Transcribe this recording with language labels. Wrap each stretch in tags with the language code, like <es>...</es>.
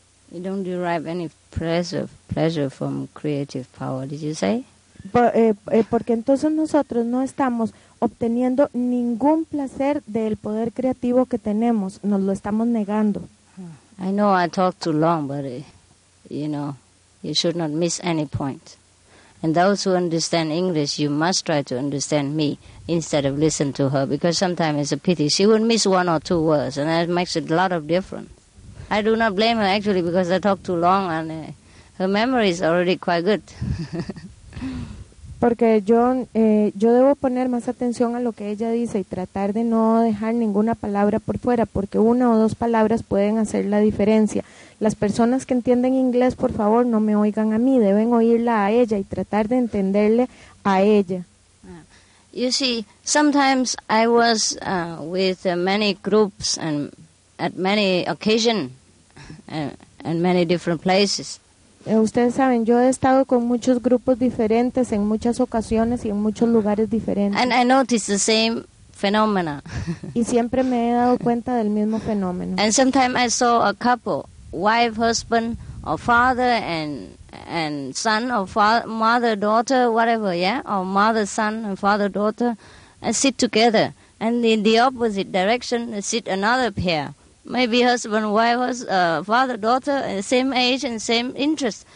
<en>You don't derive any pleasure from creative power, did you say?</en> <es>Porque entonces nosotros no estamos obteniendo ningún placer del poder creativo que tenemos, nos lo estamos negando.</es> <en>I know I talk too long, but you know, you should not miss any point. And those who understand English, you must try to understand me instead of listen to her, because sometimes it's a pity. She would miss one or two words, and that makes a lot of difference. I do not blame her, actually, because I talk too long, and her memory is already quite good.</en> <es>Porque yo debo poner más atención a lo que ella dice y tratar de no dejar ninguna palabra por fuera, porque una o dos palabras pueden hacer la diferencia. Las personas que entienden inglés, por favor, no me oigan a mí, deben oírla a ella y tratar de entenderle a ella.</es> <en>You see, sometimes I was with many groups and at many occasions and many different places.</en> <es>Ustedes saben, yo he estado con muchos grupos diferentes en muchas ocasiones y en muchos lugares diferentes.</es> <en>And I noticed the same phenomena.</en> <es>Y siempre me he dado cuenta del mismo fenómeno.</es> <en>And sometimes I saw a couple, wife, husband, or father, and son, or mother, daughter, whatever, yeah? Or mother, son, and father, daughter, and sit together. And in the opposite direction, sit another pair. Maybe husband, wife, father, daughter, same age and same interest.</en>